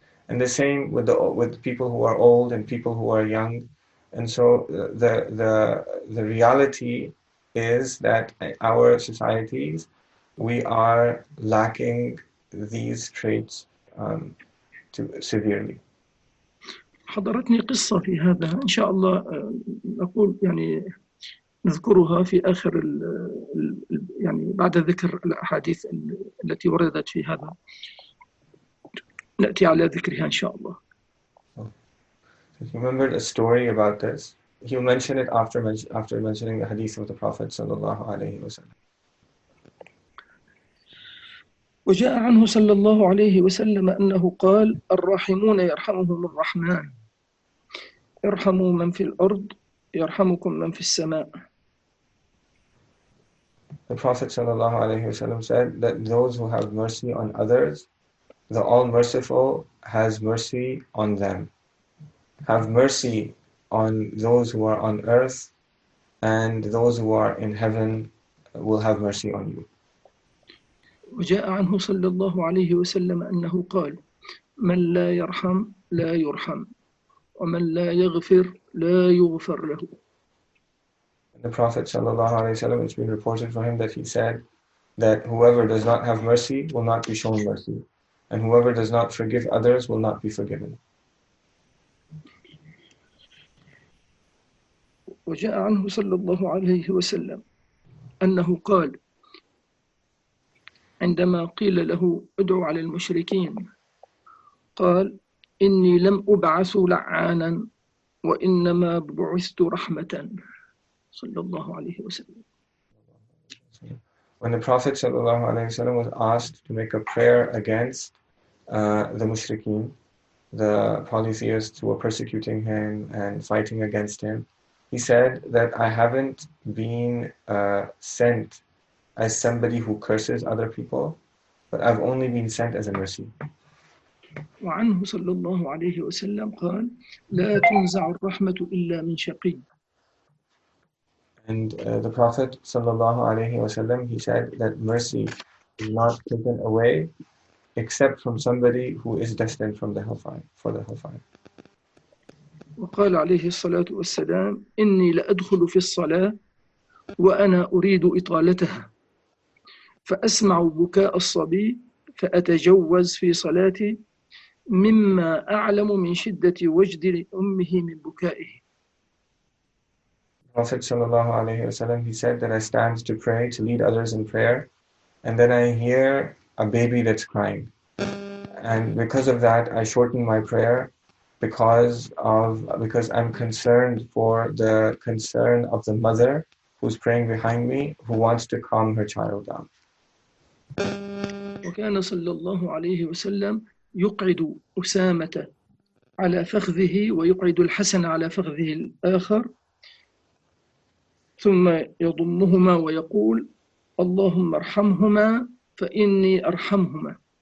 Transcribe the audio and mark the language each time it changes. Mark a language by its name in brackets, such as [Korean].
[English] And the same with the people who are old and people who are young. And so the reality is that our societies, we are lacking these traits severely. [Arabic] حضرتني قصة في هذا، إن شاء الله أقول يعني نذكرها في آخر الـ يعني بعد ذكر الأحاديث التي وردت في هذا، نأتي على ذكرها إن شاء الله. [English] If you remembered a story about this, he'll mention it after mentioning the hadith of the Prophet [Arabic] صلى الله عليه وسلم. وجاء عنه صلى الله عليه وسلم أنه قال الراحمون يرحمهم الرحمن ارحموا من في الأرض يرحمكم من في السماء. [English] The Prophet [Arabic] صلى الله عليه وسلم [English] said that those who have mercy on others, the All-Merciful has mercy on them. Have mercy on those who are on earth, and those who are in heaven will have mercy on you. [Arabic] وجاء عنه صلى الله عليه وسلم أنه قال من لا يرحم لا يرحم ومن لا يغفر لا يغفر له. [English] The Prophet [Arabic] sallallahu alaihi wasallam, [English] it's been reported for him that he said that whoever does not have mercy will not be shown mercy, and whoever does not forgive others will not be forgiven. [Arabic] وجاء عنه صلى الله عليه وسلم أنه قال عندما قيل له ادعو على المشركين قال إني لم أبعث لعانا وإنما بعثت رحمة صلى الله عليه وسلم. [English] When the Prophet [Arabic] صلى الله عليه وسلم [English] was asked to make a prayer against the mushrikeen, the polytheists who were persecuting him and fighting against him, he said that I haven't been sent as somebody who curses other people, but I've only been sent as a mercy. [Arabic] وعنه صلى الله عليه وسلم قال لا تنزع الرحمة إلا من شقي. [English] And the Prophet [Arabic] صلى الله عليه وسلم, [English] he said that mercy is not taken away except from somebody who is destined for the hellfire. [Arabic] وقال عليه الصلاة والسلام إني لأدخل في الصلاة وأنا أريد إطالتها، فأسمع بكاء الصبي فأتجوز في صلاتي مما أعلم من شدة وجد أمه من بكائه. [English] Prophet [Arabic] sallallahu alaihi wasallam, [English] he said that I stand to pray to lead others in prayer, and then I hear a baby that's crying, and because of that I shorten my prayer because I'm concerned for the concern of the mother who's praying behind me, who wants to calm her child down. [Arabic] وكان صلى الله عليه وسلم يقعد أسامة على فخذه ويقعد الحسن على فخذه الآخر ثم يضمهما ويقول اللهم ارحمهما فإني أرحمهما.